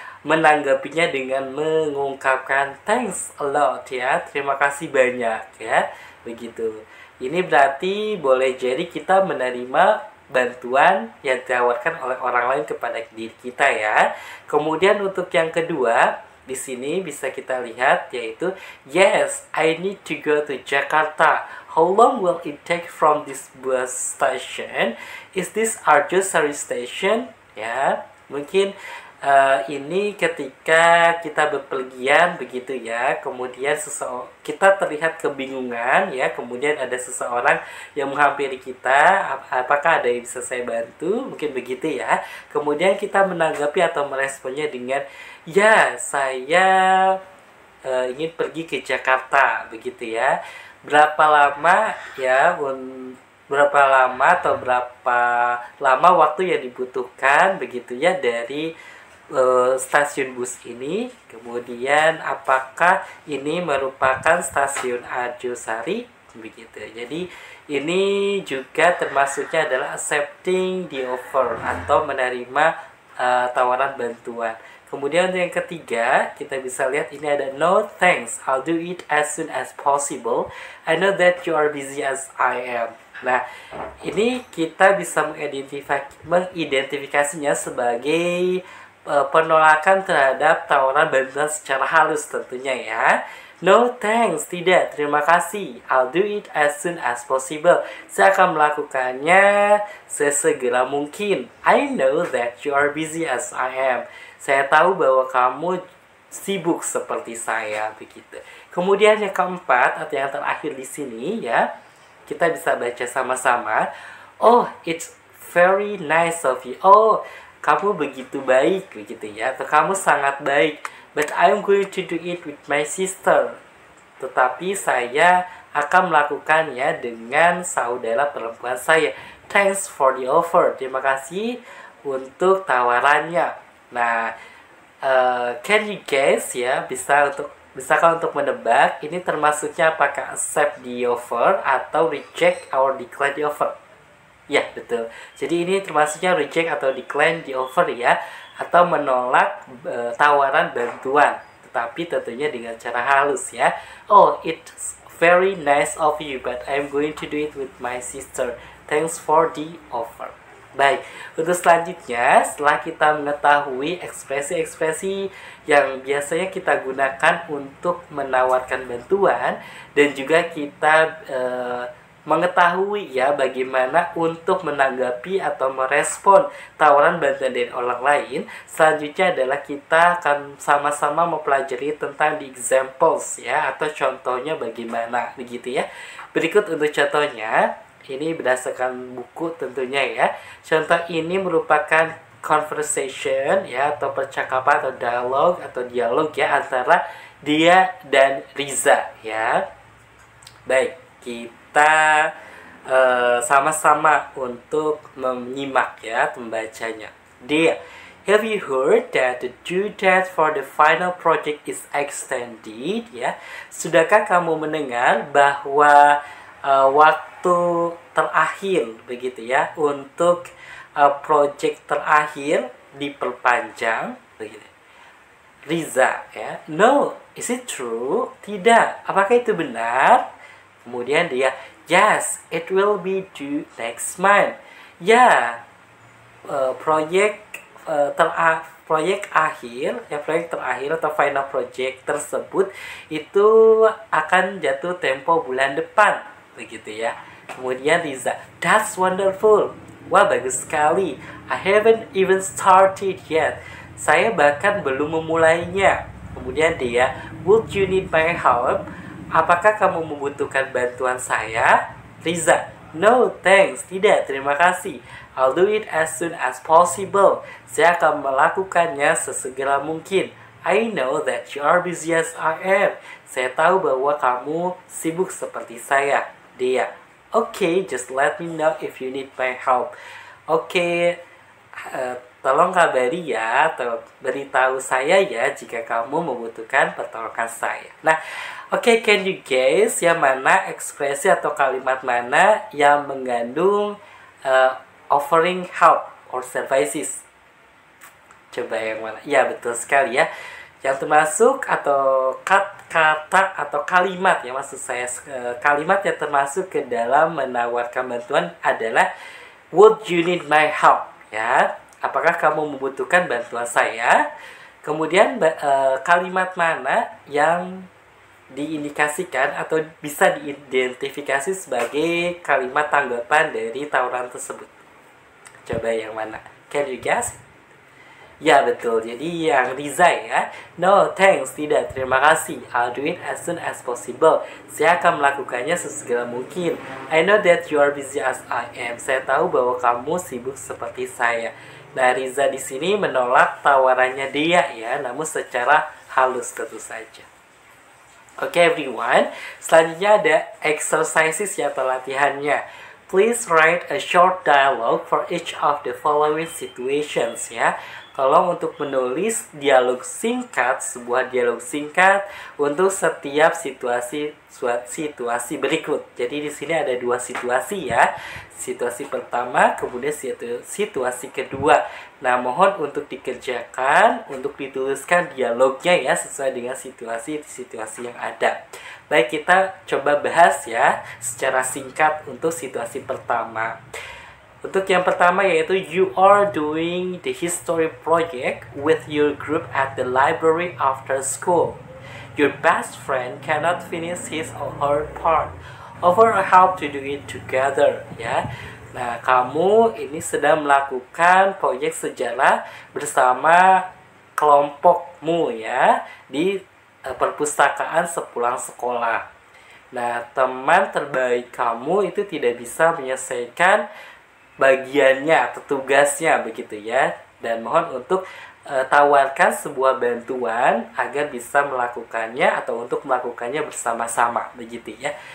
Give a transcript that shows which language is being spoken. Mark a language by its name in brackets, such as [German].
[Indonesian] menanggapinya dengan mengungkapkan [English] thanks a lot [Indonesian] ya, terima kasih banyak ya, begitu. Ini berarti boleh jadi kita menerima bantuan yang ditawarkan oleh orang lain kepada diri kita ya. Kemudian untuk yang kedua, di sini bisa kita lihat yaitu [English] yes, I need to go to Jakarta. How long will it take from this bus station? Is this Arjo Sari station? [Indonesian] Ya, mungkin ini ketika kita bepergian begitu ya. Kemudian kita terlihat kebingungan ya. Kemudian ada seseorang yang menghampiri kita. Apakah ada yang bisa saya bantu? Mungkin begitu ya. Kemudian kita menanggapi atau meresponnya dengan ya, saya ingin pergi ke Jakarta begitu ya. Berapa lama ya, berapa lama atau berapa lama waktu yang dibutuhkan begitu ya dari stasiun bus ini. Kemudian apakah ini merupakan stasiun Arjo Sari begitu. Jadi ini juga termasuknya adalah accepting the offer atau menerima tawaran bantuan. Kemudian yang ketiga, kita bisa lihat ini ada [English] no thanks, I'll do it as soon as possible. I know that you are busy as I am. [Indonesian] Nah, ini kita bisa mengidentifikasinya sebagai penolakan terhadap tawaran bantuan secara halus tentunya ya. [English] No thanks, [Indonesian] tidak, terima kasih. [English] I'll do it as soon as possible. [Indonesian] Saya akan melakukannya sesegera mungkin. [English] I know that you are busy as I am. [Indonesian] Saya tahu bahwa kamu sibuk seperti saya begitu. Kemudian yang keempat atau yang terakhir di sini ya, kita bisa baca sama-sama. [English] Oh, it's very nice of you. [Indonesian] Oh, kamu begitu baik begitu ya. Atau kamu sangat baik. [English] But I'm going to do it with my sister. [Indonesian] Tetapi saya akan melakukannya dengan saudara perempuan saya. [English] Thanks for the offer. [Indonesian] Terima kasih untuk tawarannya. Nah, [English] can you guess [Indonesian] ya, bisakah untuk menebak ini termasuknya apakah [English] accept the offer [Indonesian] atau [English] reject or decline the offer? [Indonesian] Ya, betul. Jadi ini termasuknya reject atau [English] decline the offer [Indonesian] ya, atau menolak tawaran bantuan, tetapi tentunya dengan cara halus ya. [English] Oh, it's very nice of you, but I'm going to do it with my sister. Thanks for the offer. [Indonesian] Baik, untuk selanjutnya, setelah kita mengetahui ekspresi-ekspresi yang biasanya kita gunakan untuk menawarkan bantuan, dan juga kita mengetahui ya bagaimana untuk menanggapi atau merespon tawaran bantuan dari orang lain, selanjutnya adalah kita akan sama-sama mempelajari tentang the examples ya, atau contohnya bagaimana, begitu ya. Berikut untuk contohnya. Ini berdasarkan buku tentunya ya. Contoh ini merupakan conversation ya, atau percakapan atau dialog atau dialog ya, antara dia dan Riza ya. Baik, kita sama-sama untuk menyimak ya, membacanya. [English] Dia, have you heard that the due date for the final project is extended ya? [Indonesian] Sudahkah kamu mendengar bahwa waktu terakhir begitu ya untuk project terakhir diperpanjang begitu. Riza ya, [English] no, is it true? [Indonesian] Tidak, apakah itu benar? [English] Kemudian dia, yes, it will be due next month. [Indonesian] Ya, proyek terakhir atau final project tersebut itu akan jatuh tempo bulan depan begitu ya. Kemudian Riza, [English] that's wonderful. [Indonesian] Wah, bagus sekali. [English] I haven't even started yet. [Indonesian] Saya bahkan belum memulainya. Kemudian dia, [English] would you need my help? [Indonesian] Apakah kamu membutuhkan bantuan saya? [English] Riza, no thanks. [Indonesian] Tidak, terima kasih. [English] I'll do it as soon as possible. [Indonesian] Saya akan melakukannya sesegera mungkin. [English] I know that you are busy as I am. [Indonesian] Saya tahu bahwa kamu sibuk seperti saya. [English] Dia, okay, just let me know if you need my help. [Indonesian] Okay, tolong kabari ya, atau beritahu saya ya jika kamu membutuhkan pertolongan saya. Nah, okay, [English] can you guess [Indonesian] ya mana ekspresi atau kalimat mana yang mengandung [English] offering help or services? [Indonesian] Coba yang mana? Ya, betul sekali ya. Yang termasuk atau kata atau kalimat ya, maksud saya kalimat yang termasuk ke dalam menawarkan bantuan adalah [English] Would you need my help? [Indonesian] Ya, apakah kamu membutuhkan bantuan saya? Kemudian kalimat mana yang diindikasikan atau bisa diidentifikasi sebagai kalimat tanggapan dari tawaran tersebut? Coba yang mana? [English] Can you guess? [Indonesian] Ya, betul. Jadi yang resign ya. [English] No, thanks. [Indonesian] Tidak, terima kasih. [English] I'll do it as soon as possible. [Indonesian] Saya akan melakukannya sesegera mungkin. [English] I know that you are busy as I am. [Indonesian] Saya tahu bahwa kamu sibuk seperti saya. Nah, Riza di sini menolak tawarannya dia ya, namun secara halus tentu saja. [English] Okay, everyone. [Indonesian] Selanjutnya ada exercises ya, atau latihannya. [English] Please write a short dialogue for each of the following situations ya. [Indonesian] Tolong untuk menulis dialog singkat, sebuah dialog singkat untuk setiap situasi berikut. Jadi di sini ada dua situasi ya. Situasi pertama, kemudian situasi kedua. Nah, mohon untuk dikerjakan, untuk dituliskan dialognya ya sesuai dengan situasi-situasi yang ada. Baik, kita coba bahas ya secara singkat untuk situasi pertama. Untuk yang pertama yaitu [English] you are doing the history project with your group at the library after school. Your best friend cannot finish his or her part. Offer a help to do it together, ya. [Indonesian] Nah, kamu ini sedang melakukan proyek sejarah bersama kelompokmu ya di perpustakaan sepulang sekolah. Nah, teman terbaik kamu itu tidak bisa menyelesaikan bagiannya atau tugasnya begitu ya, dan mohon untuk tawarkan sebuah bantuan agar bisa melakukannya atau untuk melakukannya bersama-sama begitu ya.